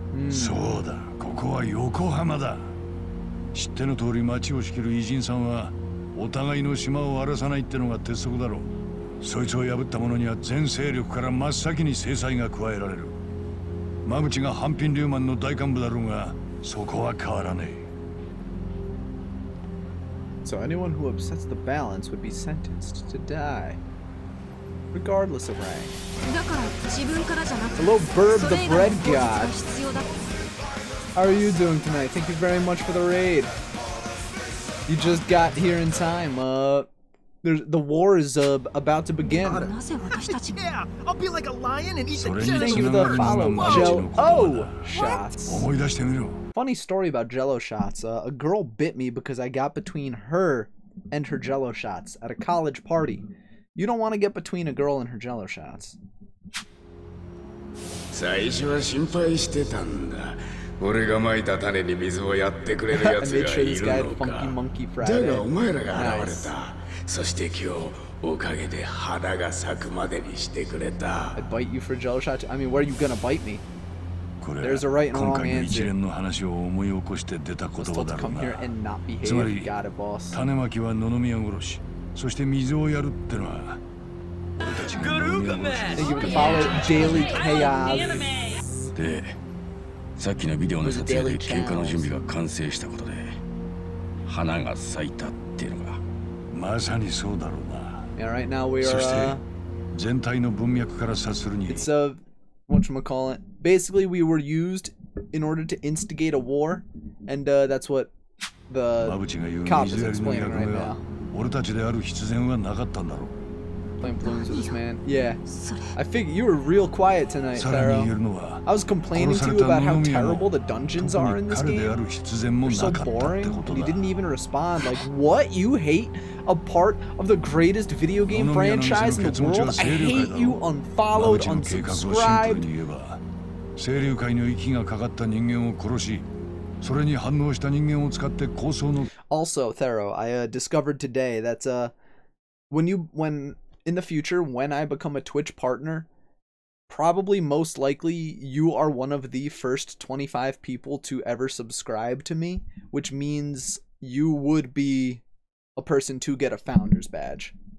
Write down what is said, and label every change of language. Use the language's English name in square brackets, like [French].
[Japanese] うん、そうだ、ここは横浜だ。知っての通り町を仕切る偉人さんはお互いの島を荒らさないってのが鉄則だろう。そいつを破った者には全勢力から真っ先に制裁が加えられる。真淵がハンピン・リューマンの大幹部だろうがそこは変わらねえ。 [English] So anyone who upsets the balance would be sentenced to die, regardless of rank. Hello, Burb the Bread God. How are you doing tonight? Thank you very much for the raid. You just got here in time. The war is about to begin. Yeah, I'll be like a lion and eat the jello. Thank you for the follow, Jello Shots. What? Funny story about Jello Shots. A girl bit me because I got between her and her Jello Shots at a college party. You don't want to get between a girl and her Jello Shots. [Japanese] 最初は心配してたんだ。俺が撒いた種に水をやってくれるやつがいるのか。だがお前らが現れた。そして今日、おかげで花が咲くまでにしてくれた。 [English] I'd bite you for Jello Shots. I mean, where are you gonna bite me? [Japanese] これは今回の一連の話を思い起こして出た言葉だろうな。つまり種まきは野々宮殺し、そして水をやるってのは俺たちが野々宮殺しだ。で、さっきのビデオの撮影で喧嘩の準備が完成したことで花が咲いたっていうのがまさにそうだろうな。そして全体の文脈から察するに、 [English] whatchamacallit. Basically, we were used in order to instigate a war, and that's what the cop is explaining right now. [Japanese] 俺たちである必然はなかったんだろう。 [English] Playing balloons with this man. Yeah. I figured you were real quiet tonight, Taro. I was complaining to you about how terrible the dungeons are in this game. You're so boring, and you didn't even respond. Like, what? You hate a part of the greatest video game franchise in the world? I hate you. Unfollowed, unsubscribed. Mabuchi's plan is simple. To kill the blood of the Seiryu-kai. [Japanese] それに反応した人間を使って構想の。 [English] Also, Thero, I discovered today that when in the future, when I become a Twitch partner, probably most likely you are one of the first 25 people to ever subscribe to me, which means you would be a person to get a founder's badge.